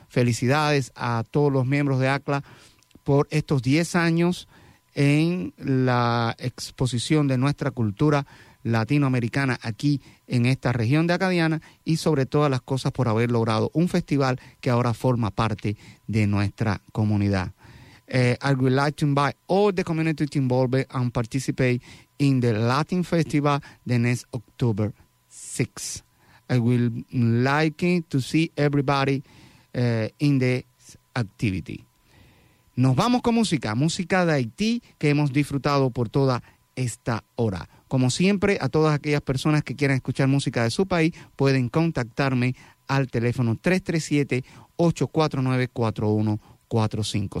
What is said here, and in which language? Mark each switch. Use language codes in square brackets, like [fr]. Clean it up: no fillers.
[es] Felicidades a todos los miembros de ACLA por estos 10 años en la exposición de nuestra cultura latinoamericana aquí en esta región de Acadiana y sobre todas las cosas por haber logrado un festival que ahora forma parte de nuestra comunidad. [en] I would like to invite all the community to involve and participate in the Latin Festival the next October 6. I would like to see everybody in the activity. [es] Nos vamos con música, música de Haití que hemos disfrutado por toda esta hora. Como siempre, a todas aquellas personas que quieran escuchar música de su país, pueden contactarme al teléfono 337-849-4145.